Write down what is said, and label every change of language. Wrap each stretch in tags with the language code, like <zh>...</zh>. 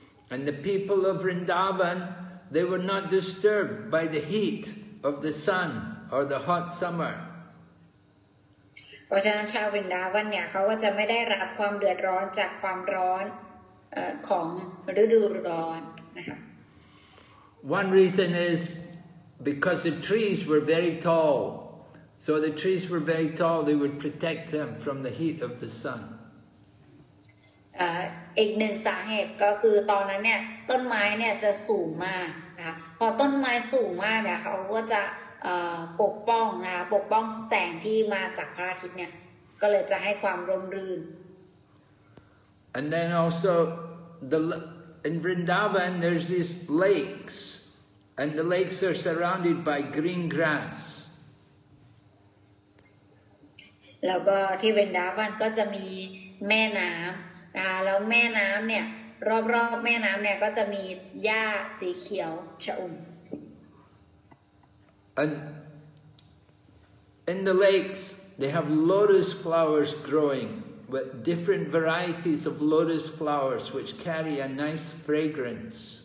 <en>And the people of Vrindavan, they were not disturbed by the heat of the sun or the hot summer.</en> <th>เพราะฉะนั้นชาวบรินดาวันเนี่ยเขาก็จะไม่ได้รับความเดือดร้อนจากความร้อนของฤดูร้อนนะคะ</th> <en>One reason is because the trees were very tall. So the trees were very tall, they would protect them from the heat of the sun.</en> <th>อีกหนึ่งสาเหตุก็คือตอนนั้นเนี่ยต้นไม้เนี่ยจะสูงมากนะคะพอต้นไม้สูงมากเนี่ยเขาก็จะปกป้องนะปกป้องแสงที่มาจากพระอาทิตย์เนี่ยก็เลยจะให้ความร่มรื่น</th> <en>And then also the in Vrindavan there's these lakes and the lakes are surrounded by green grass</en> <th>แล้วก็ที่ Vrindavan ก็จะมีแม่น้ำแล้วแม่น้ำเนี่ยรอบๆแม่น้ำเนี่ยก็จะมีหญ้าสีเขียวชอุ่ม</th> <en>And in the lakes they have lotus flowers growing with different varieties of lotus flowers which carry a nice fragrance</en>